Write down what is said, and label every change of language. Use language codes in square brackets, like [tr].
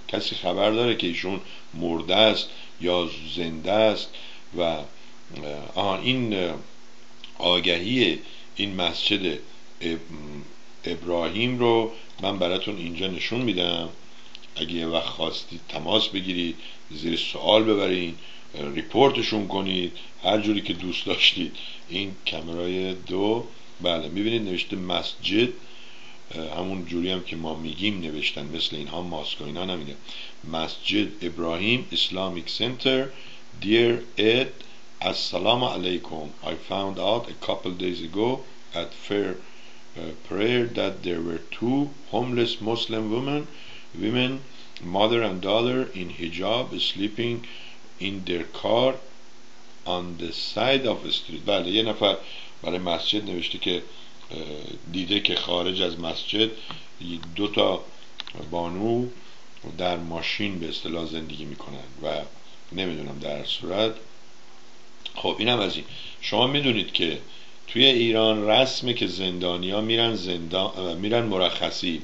[fa] کسی خبر داره که ایشون مرده است یا زنده است؟ و این آگهی این مسجد ابراهیم رو من براتون اینجا نشون میدم، اگه یه وقت خواستید تماس بگیرید، زیر سوال ببرید، ریپورتشون کنید هر جوری که دوست داشتید. این کامرای دو، بله میبینید نوشته مسجد، همون جوری هم که ما میگیم نوشتن، مثل اینها ماسک و اینها نمیده. مسجد ابراهیم اسلامیک سنتر، دیر اد السلام علیکم. [en] I found out a couple days ago at fair prayer that there were two homeless Muslim women, mother and daughter in hijab, sleeping in their car on the side of the street. [fa] بله، یه نفر برای مسجد نوشته که دیده که خارج از مسجد دو تا بانو در ماشین به اصطلاح زندگی میکنن و نمیدونم در صورت. خب اینم از این. شما میدونید که توی ایران رسمه که زندانیا میرن زندان، میرن مرخصی.